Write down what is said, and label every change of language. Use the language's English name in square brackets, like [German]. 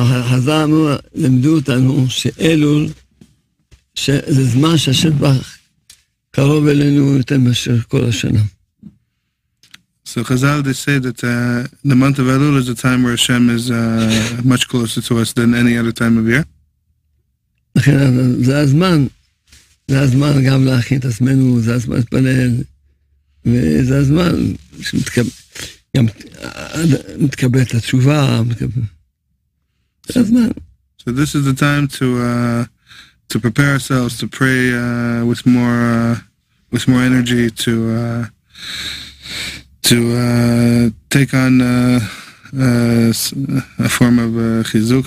[Hebrew] חזרנו, למדו אותנו שאלול, שזה זמן שהשבח קרוב אלינו יותר מאשר כל השנה. [English] So Chazal, they say that the month of Elul is a time where Hashem is much closer to us than any other time of year. [Hebrew] לכן זה הזמן גם להכין את עצמנו, זה הזמן להתפלל, וזה הזמן שגם מתקבל את התשובה, זה הזמן. [English] So this is the time to prepare ourselves to pray with more energy, to take on a form of chizuk,